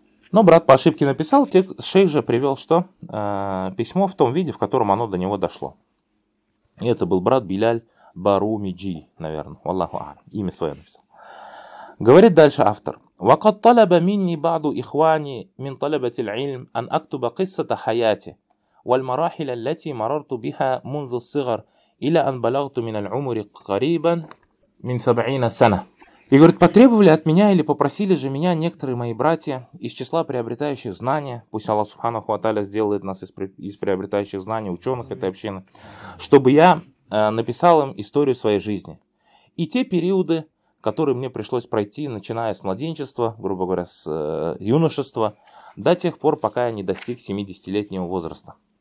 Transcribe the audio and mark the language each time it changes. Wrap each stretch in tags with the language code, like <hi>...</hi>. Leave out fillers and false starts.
<ru>Но брат по ошибке написал, шейх же привел, что письмо в том виде, в котором оно до него дошло. И это был брат Биляль Барумиджи, наверное. Валлаху а'лам. Имя свое написал. Говорит дальше автор.</ru> <ar>«Вакад талаба минни баду ихвани мин талабати л'ильм ан актуба киссата хаяти». والمراحل التي مررت بها منذ الصغر إلى أن بلغت من العمر قريبا من 70 سنة.</ar> <ru>И говорит, потребовали от меня или попросили же меня некоторые мои братья из числа приобретающих знания, пусть Аллах Субханаху ва Тааля сделает нас из приобретающих знания ученых этой общины, чтобы я написал им историю своей жизни и те периоды, который мне пришлось пройти, начиная с младенчества, грубо говоря, с юношества, до тех пор, пока я не достиг 70-летнего возраста.</ru>